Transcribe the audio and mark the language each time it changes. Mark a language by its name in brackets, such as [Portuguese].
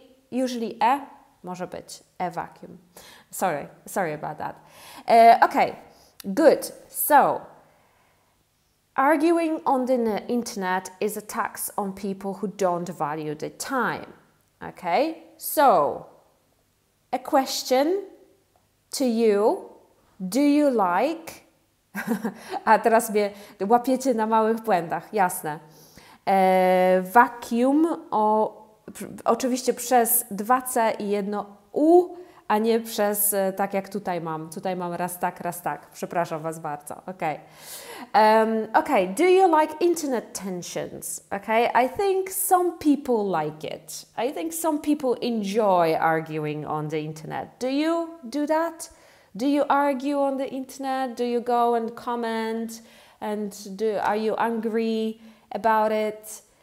[English] Usually E może być E vacuum. Sorry about that. Okay, good. So, arguing on the internet is a tax on people who don't value their time. Okay, so, a question to you. Do you like... [Polish] A teraz mnie łapiecie na małych błędach, jasne. Vacuum, oczywiście przez dwa C i jedno U, a nie przez tak jak tutaj mam. Tutaj mam raz tak, przepraszam Was bardzo. [English] Okay. Okay, do you like internet tensions? Okay, I think some people like it. I think some people enjoy arguing on the internet. Do you do that? Do you argue on the internet? Do you go and comment? And are you angry about it?